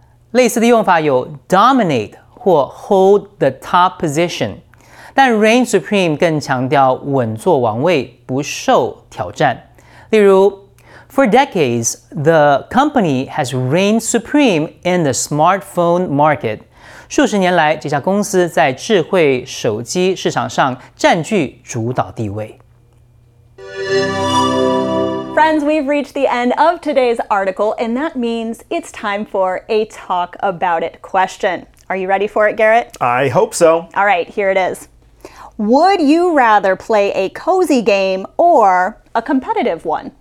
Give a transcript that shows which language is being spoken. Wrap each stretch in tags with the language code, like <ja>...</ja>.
<zh>类似的用法有 dominate 或 hold the top position。但 Reign Supreme 更强调稳坐王位，不受挑战。</zh> <en>例如 ，For decades, the company has reigned supreme in the smartphone market.</en> <zh>数十年来，这家公司在智慧手机市场上占据主导地位。</zh> <en>Friends, we've reached the end of today's article, and that means it's time for a talk about it question. Are you ready for it, Garrett? I hope so. All right, here it is. Would you rather play a cozy game or a competitive one?</en>